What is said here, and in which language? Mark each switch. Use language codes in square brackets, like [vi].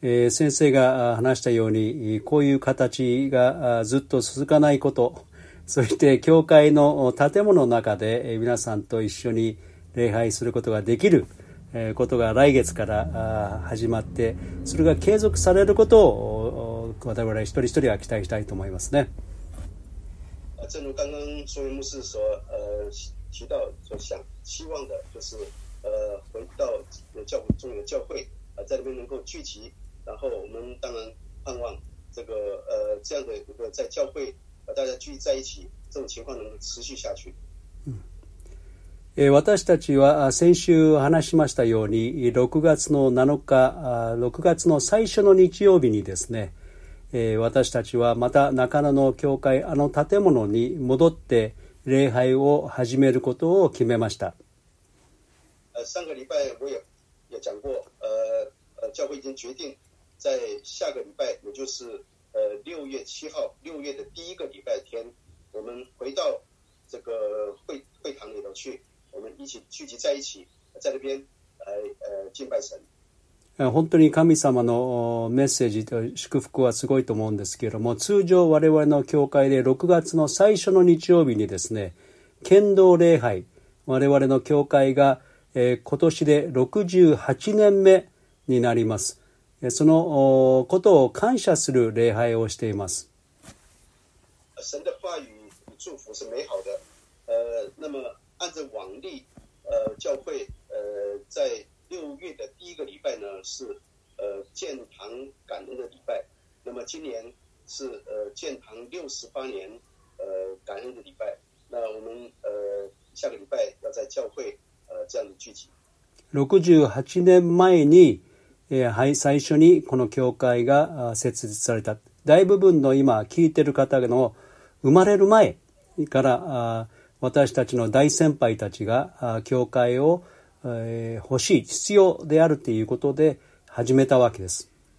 [ja] 先生が話したようにこういう形がずっと続かないこと、そして教会の建物の中で皆さんと一緒に礼拝することができることが来月から始まって、それが継続されることを我々一人一人は期待したいと思いますね。 [zh] 正如刚刚松原牧师所提到所想希望的，就是回到教会中的教会啊，在那边能够聚集，然后我们当然盼望这个这样的一个在教会大家聚集在一起这种情况能够持续下去。 [ja] 私たちは先週話しましたように6月の7日、6月の最初の日曜日にですね、私たちはまた中野の教会あの建物に戻って礼拝を始めることを決めました。 [zh] 上个礼拜我也讲过教会已经决定在下个礼拜，也就是6月7号6月的第一个礼拜天，我们回到这个 会堂里头去，我们一起聚集在一起在那边来敬拜神。 [ja] 本当に神様のメッセージと祝福はすごいと思うんですけれども、通常我々の教会で6月の最初の日曜日にですね、剣道礼拝、我々の教会が今年で68年目になります。そのことを感謝する礼拝をしています。 [zh] 神の話語祝福は美好的。那么按照往例教会在六月的第一个礼拜呢是建堂感恩的礼拜，那么今年是建堂68年感恩的礼拜，那我们下个礼拜要在教会这样的聚集。 [ja] 68年前に、最初にこの教会が設立された。大部分の今聞いてる方の生まれる前から私たちの大先輩たちが教会を欲しい、必要であるということで始めたわけです。